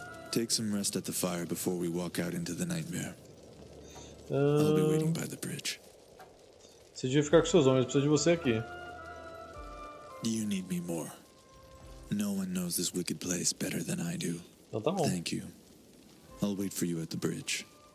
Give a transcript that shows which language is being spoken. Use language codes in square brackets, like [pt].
[en] Take some rest at the fire before we walk out into the nightmare. I'll be waiting by the bridge. [pt] Você devia ficar com seus homens, precisa de você aqui. [en] You need me more. No one knows this wicked place better than I do. [pt] Então tá bom. [en] Thank you. I'll wait for you at the bridge.